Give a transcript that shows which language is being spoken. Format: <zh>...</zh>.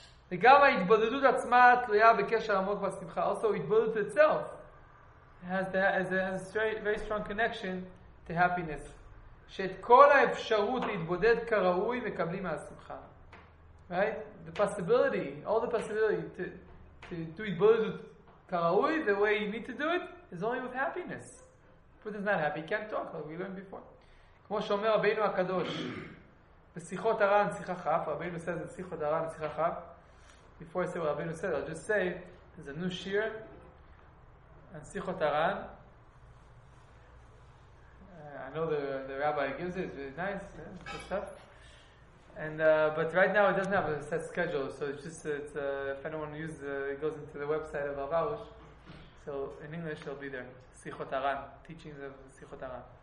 <he>וגם ההתבודדות עצמה תלויה בקשר עמוק בשמחה.</he> <en>Also, התבודדות itself has a very strong connection to happiness.</en> <he>שאת כל האפשרות להתבודד כראוי מקבלים מהשמחה.</he> <en>Right? The possibility, all the possibility to do</en> <he>התבודדות כראוי,</he> <en>the way you need to do it, is only with happiness. If it's not happy, you can't talk, like we learned before.</en> <he>כמו שאומר רבינו הקדוש, בשיחות הר"ן, שיחה חף, רבינו עושה את זה בשיחות הר"ן, שיחה חף.</he> <en>Before I say what רבינו said, I'll just say, there's a new shir, and שיחות הר"ן. I know the rabbi gives it, it's really nice, good stuff. But right now it doesn't have a set schedule, so it's just, if anyone uses it goes into the website of Rav Arush, so in English it'll be there, שיחות הר"ן, teachings of שיחות הר"ן.</en>